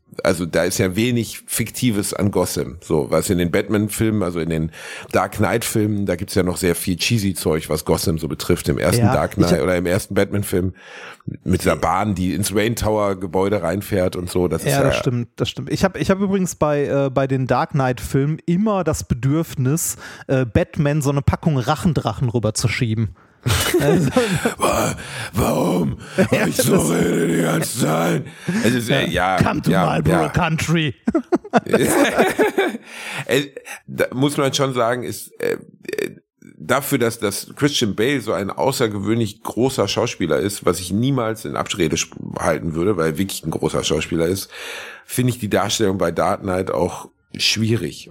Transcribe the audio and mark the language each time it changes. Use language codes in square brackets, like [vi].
[de] Also da ist ja wenig Fiktives an Gotham. So, was in den Batman-Filmen, also in den Dark Knight-Filmen, da gibt's ja noch sehr viel Cheesy-Zeug, was Gotham so betrifft, im ersten Dark Knight oder im ersten Batman-Film mit dieser Bahn, die ins Wayne Tower-Gebäude reinfährt und so. Das ist Das stimmt. Ich hab übrigens bei den Dark Knight-Filmen immer das Bedürfnis, Batman so eine Packung Rachendrachen rüberzuschieben. Warum? Weil ich so rede die ganze Zeit. Es ist, [en] come to Marlboro Country. [de] Da muss man schon sagen, ist dafür, dass Christian Bale so ein außergewöhnlich großer Schauspieler ist, was ich niemals in Abrede halten würde, weil er wirklich ein großer Schauspieler ist, finde ich die Darstellung bei Dark Knight auch schwierig.